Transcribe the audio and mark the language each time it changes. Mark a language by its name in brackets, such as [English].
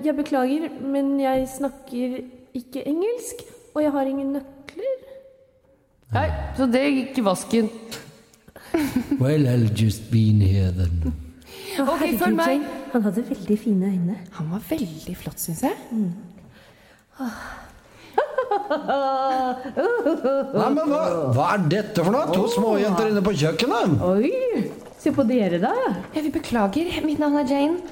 [Norwegian] Jeg beklager, men jeg snakker ikke engelsk, og jeg har ingen nøkler. Nei, så det gikk i vasken. [English] Well, I'll just be in here then. [Norwegian] Ok, følg meg. Jane, han hadde veldig fine øyne. Han var veldig flott, synes jeg. Nei, men hva er dette for noe? To små jenter inne på kjøkkenet. Oi, se på dere da. Ja, vi beklager, mitt navn er Jane.